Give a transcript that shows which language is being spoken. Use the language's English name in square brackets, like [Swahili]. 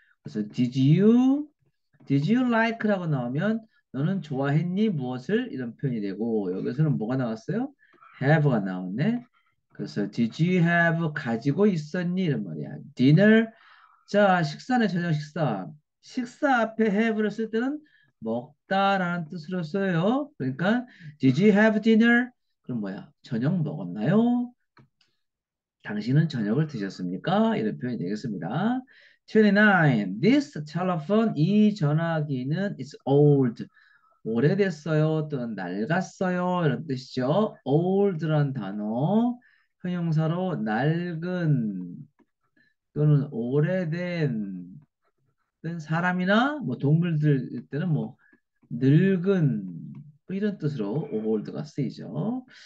[Korean] 그래서 [English] did you like [Korean] 라고 나오면 너는 좋아했니 무엇을 이런 표현이 되고 여기서는 뭐가 나왔어요? have가 나왔네. 그래서 [English] did you have [Korean] 가지고 있었니 이런 말이야. dinner. 자, 식사네 저녁 식사. 식사 앞에 have를 쓸 때는 먹다라는 뜻으로 써요. [English] 그러니까 did you have dinner? [Korean] 그럼 뭐야? 저녁 먹었나요? 당신은 저녁을 드셨습니까? 이런 표현이 되겠습니다. 29. [English] This telephone, [Korean] 이 전화기는 [English] is old. [Korean] 오래됐어요 또는 낡았어요 이런 뜻이죠. old란 단어 형용사로 낡은 또는 오래된 사람이나 뭐 동물들 때는 뭐 늙은 이런 뜻으로 old가 쓰이죠.